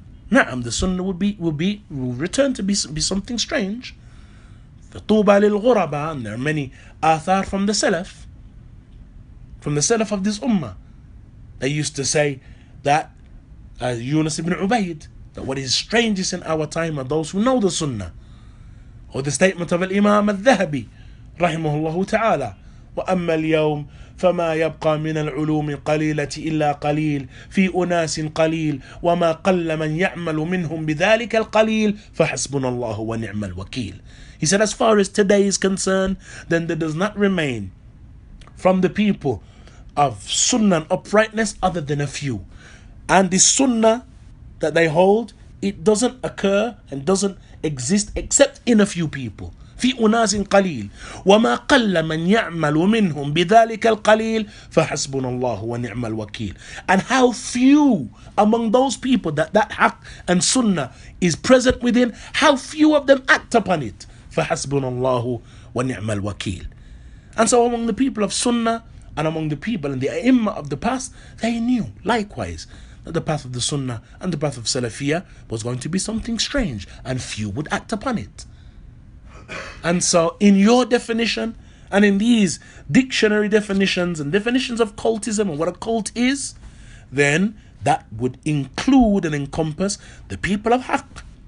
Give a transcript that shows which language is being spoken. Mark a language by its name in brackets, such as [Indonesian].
[English] Na'am, the Sunnah will return to be something strange. [Arabic] فَطُوبَ لِلْغُرَبَى. [English] And there are many athar from the Salaf of this Ummah. They used to say that, as Yunus ibn Ubaid, that what is strangest in our time are those who know the Sunnah. Or the statement of Al-Imam Al-Dhahabi, [Arabic] رحمه الله تعالى وأما اليوم فما يبقى من العلوم قليلة إلا قليل في أناس قليل وما قل من يعمل منهم بذلك القليل فحسبنا الله ونعم الوكيل. [English] He said, as far as today is concerned, then there does not remain from the people of Sunnah and uprightness other than a few. And this Sunnah that they hold, it doesn't occur and doesn't exist except in a few people. [Arabic] في أناس قليل وما قل من يعمل منهم بذلك القليل فحسبنا الله ونعم الوكيل. [English] And how few among those people that haq and sunnah is present within, how few of them act upon it. [Arabic] فحسبنا الله ونعم الوكيل. [English] And so among the people of sunnah and among the people and the a'imma of the past, they knew likewise that the path of the sunnah and the path of salafiyah was going to be something strange and few would act upon it. And so in your definition and in these dictionary definitions and definitions of cultism and what a cult is, then that would include and encompass the people of Haqq.